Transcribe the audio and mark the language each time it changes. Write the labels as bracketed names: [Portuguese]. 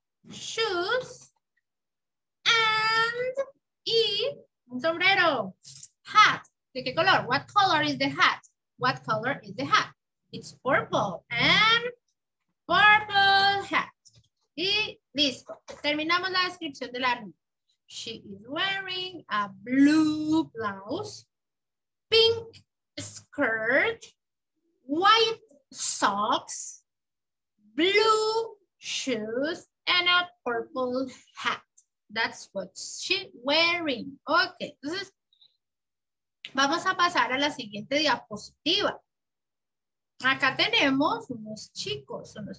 [English] Shoes and [Spanish] y un sombrero. Hat. ¿De qué color? [English] What color is the hat? What color is the hat? It's purple. And purple hat. [Spanish] Y listo. Terminamos la descripción de la niña. [English] She is wearing a blue blouse, pink skirt, white socks, blue shoes, and a purple hat. That's what she's wearing. [Spanish] Ok, entonces vamos a pasar a la siguiente diapositiva. Acá tenemos unos chicos.